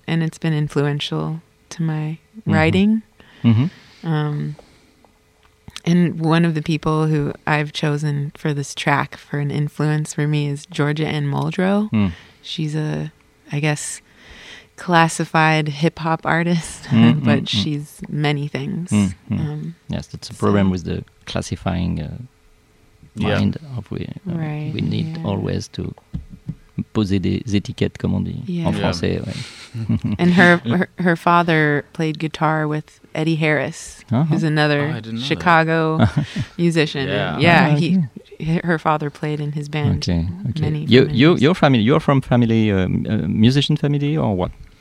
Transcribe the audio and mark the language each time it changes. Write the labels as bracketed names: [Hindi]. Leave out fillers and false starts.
[English] And it's been influential to my writing. And one of the people who I've chosen for this track for an influence for me is Georgia Ann Muldrow. She's a, I guess... classified hip hop artist, but she's many things. Yes, that's a problem with the classifying mind. We need always to [French] poser des étiquettes, comme on dit en français. [English] Yeah. Ouais. And her father played guitar with Eddie Harris, who's another Chicago musician. Her father played in his band. Your family, you're from family, musician family, or what?